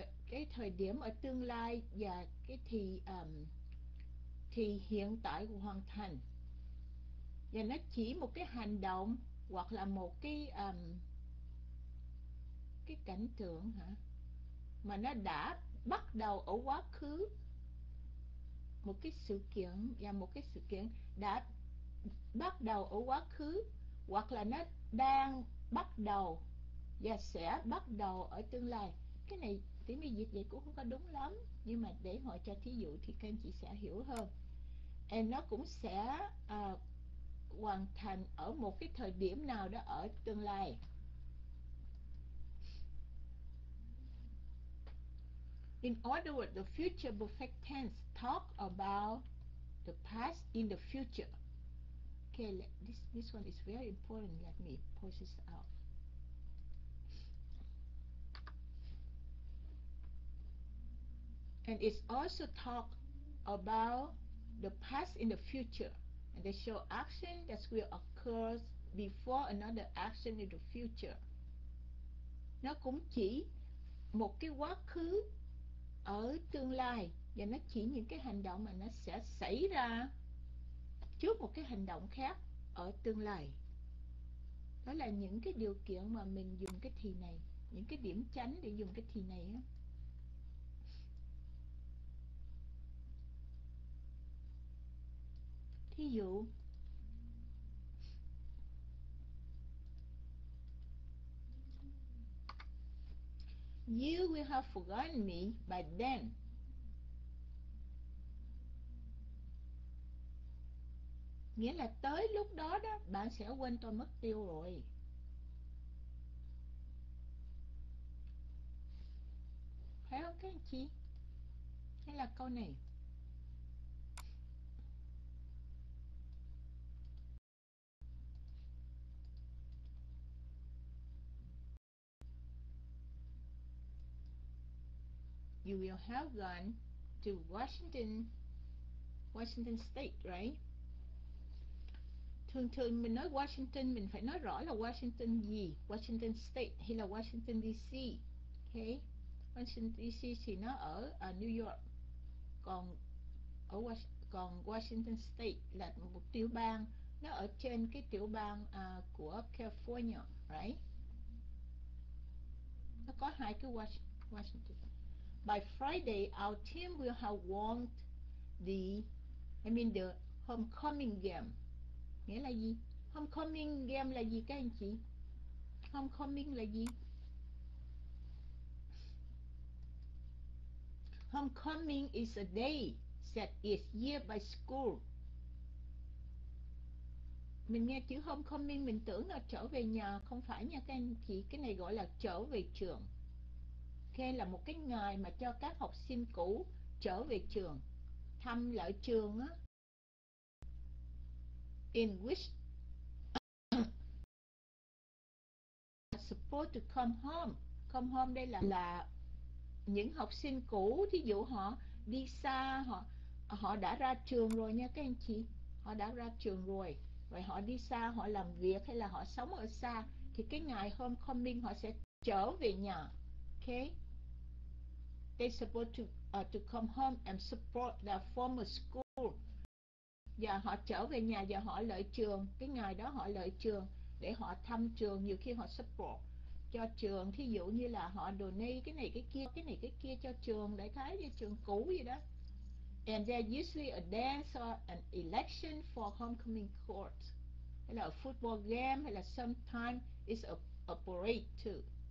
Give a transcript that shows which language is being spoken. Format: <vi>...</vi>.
<vi>Cái thời điểm ở tương lai và cái thì hiện tại hoàn thành, và nó chỉ một cái hành động hoặc là một cái cảnh tượng hả, mà nó đã bắt đầu ở quá khứ, một cái sự kiện, và một cái sự kiện đã bắt đầu ở quá khứ hoặc là nó đang bắt đầu và sẽ bắt đầu ở tương lai. Cái này tiếng Mỹ dịch vậy cũng không có đúng lắm, nhưng mà để họ cho thí dụ thì các anh chị sẽ hiểu hơn. Em nó cũng sẽ hoàn thành ở một cái thời điểm nào đó ở tương lai.</vi> <en>In other words, the future perfect tense talk about the past in the future. Okay, this one is very important. Let me push this out. And it's also talk about the past in the future, and they show action that will occur before another action in the future.</en> <vi>Nó cũng chỉ một cái quá khứ ở tương lai, và nó chỉ những cái hành động mà nó sẽ xảy ra trước một cái hành động khác ở tương lai. Đó là những cái điều kiện mà mình dùng cái thì này, những cái điểm tránh để dùng cái thì này á. Thí dụ,</vi> <en>you will have forgotten me by then.</en> <vi>Nghĩa là tới lúc đó đó, bạn sẽ quên tôi mất tiêu rồi. Phải không các anh chị? Hay là câu này?</vi> <en>You will have gone to Washington State, right?</en> <vi>Thường thường mình nói Washington, mình phải nói rõ là Washington gì, Washington State hay là Washington DC. Okay. Washington DC thì nó ở New York. Còn Washington State là một tiểu bang, nó ở trên cái tiểu bang của California, right? Nó có hai cái Washington.</vi> <en>By Friday, our team will have won the homecoming game.</en> <vi>Nghĩa là gì? Homecoming game là gì các anh chị? Homecoming là gì?</vi> <en>Homecoming is a day set each year by school.</en> <vi>Mình nghe chữ homecoming mình tưởng là trở về nhà, không phải nha các anh chị. Cái này gọi là trở về trường. Okay, là một cái ngày mà cho các học sinh cũ trở về trường, thăm lại trường á.</vi> <en>In which supposed to come home.</en> <vi>Come home đây là những học sinh cũ, thí dụ họ đi xa, họ họ đã ra trường rồi nha các anh chị. Họ đã ra trường rồi. Vậy họ đi xa, họ làm việc hay là họ sống ở xa, thì cái ngày homecoming họ sẽ trở về nhà.</vi> <en>Okay. They supposed to come home and support their former school.</en> <vi>Và họ trở về nhà và họ lợi trường. Cái ngày đó họ lợi trường để họ thăm trường. Nhiều khi họ support cho trường. Thí dụ như là họ donate cái này cái kia cho trường, đại khái như trường cũ gì đó.</vi> <en>And there's usually a dance or an election for homecoming court,</en> <vi>hay là</vi> <en>a football game, hay là sometime it's a parade too.</en>